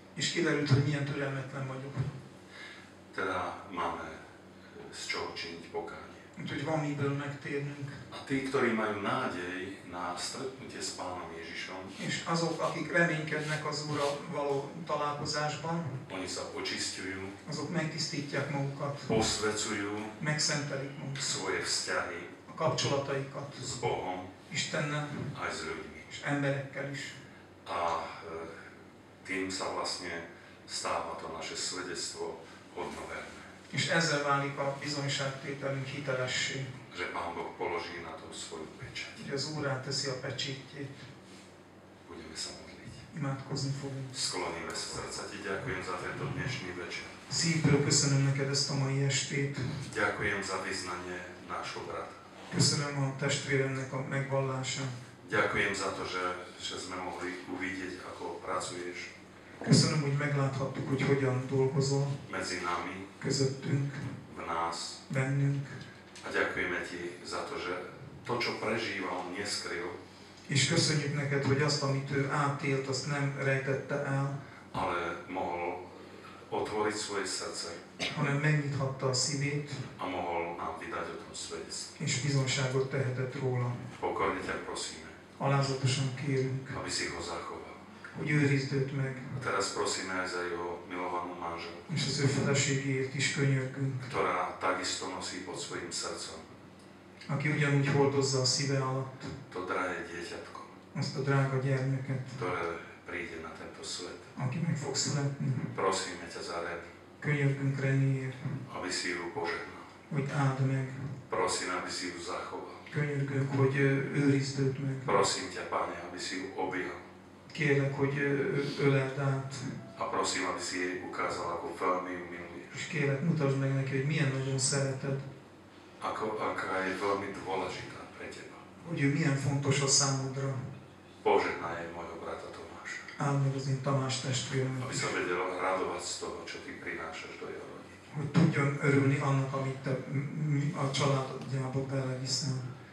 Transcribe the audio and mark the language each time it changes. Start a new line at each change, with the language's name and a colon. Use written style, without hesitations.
Hungarian: És kiderült, hogy milyen türelmetlen vagyok.
Slovak: Teda máme z čoho činiť pokáň.
Hungarian: Úgyhogy van miből megtérnünk.
Slovak: A tí, ktorí majú nádej na stretnutie s Pánom Ježišom,
Hungarian: és azok, akik reménykednek az Úrra való találkozásban,
Slovak: oni sa očisťujú,
Hungarian: azok megtisztítják magukat,
Slovak: posvecujú,
Hungarian: megszentelik magukat,
Slovak: svoje vzťahy,
Hungarian: a kapcsolataikat,
Slovak: s Bohom,
Hungarian: Istennel,
Slovak: aj s ľuďmi,
Hungarian: s emberekkel is.
Slovak: A tým sa vlastne stáva to naše svedectvo hodnoverné.
Hungarian: És ezzel válik a bizonyságtételünk hitelessé.
Slovak: Že Pán Boh položí na to svoju pečeť.
Hungarian: Že az Úr ráteszi a pecsétjét.
Slovak: Budeme sa modliť.
Hungarian: Imádkozni fogunk.
Slovak: Skloníme srdca. Ti ďakujem za tento dnešný večer.
Hungarian: Szívből köszönöm neked ezt a mai estét.
Slovak: Ďakujem za vyznanie nášho brata.
Hungarian: Köszönöm a testvéremnek a megvallása.
Slovak: Ďakujem za to, že sme mohli uvidieť, ako pracuješ.
Hungarian: Köszönöm, hogy megláthattuk, hogy hogyan dolgozol.
Slovak: Medzi nami.
Hungarian: Közöttünk.
Slovak: V nás.
Hungarian: Bennünk.
Slovak: A ďakujeme ti za to, že to, čo prežíval, neskryl.
Hungarian: És köszönjük neked, hogy azt, amit ő átélt, azt nem rejtette el.
Slovak: Ale mohol otvoriť svoje srdce.
Hungarian: Hanem megnyithatta a szívét.
Slovak: A mohol nám vydať o tom svedectvo.
Hungarian: És bizonságot tehetett róla.
Slovak: Pokorne ťa prosíme.
Hungarian: Alázatosan kérünk.
Slovak: Aby si ho zachoval.
Hungarian: Hogy őrizd őt meg.
Slovak: A teraz prosíme aj za jeho milovanú manželku.
Hungarian: És az ő feleségéért is könyörgünk.
Slovak: Ktorá takisto nosí pod svojim srdcom.
Hungarian: Aki ugyanúgy hordozza a szíve alatt.
Slovak: To drahé dieťatko.
Hungarian: Azt a drága gyermeket.
Slovak: Ktoré príde na tento svet.
Hungarian: Aki meg fog születni.
Slovak: Prosíme ťa za Reni.
Hungarian: Könyörgünk Reniért.
Slovak: Aby si ju požehnal.
Hungarian: Hogy áld meg.
Slovak: Prosím, aby si ju zachoval.
Hungarian: Könyörgünk, hogy őrizd őt meg.
Slovak: Prosím ťa, Pane, aby si ju objal.
Hungarian: Kérlek, hogy öleld át.
Slovak: A prosím, aby si jej ukázal, ako veľmi ju miluješ.
Hungarian: És kérlek, mutasd meg neki, hogy milyen nagyon szereted.
Slovak: Aká je veľmi dôležitá pre teba.
Hungarian: Hogy ő milyen fontos a számodra.
Slovak: Požehnaj aj mojho brata Tomáša.
Hungarian: Áld meg az én Tamás testvéremet.
Slovak: Aby sa vedel radovať z toho, čo ty prinášaš do jeho rodiny.
Hungarian: Hogy tudjon örülni annak, amit te a családjába beleviszel.